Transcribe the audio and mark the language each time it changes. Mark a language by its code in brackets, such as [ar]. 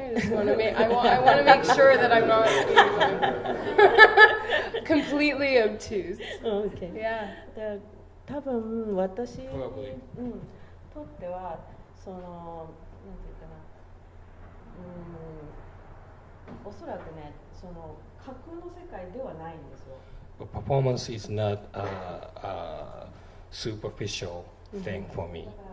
[en] I want to make sure that I'm not completely obtuse. Okay. Yeah. [ja] 多分私にとってはそのなんていうかな、おそらくね、その架空の世界ではないんですよ。 [en] Performance is not a superficial thing for me.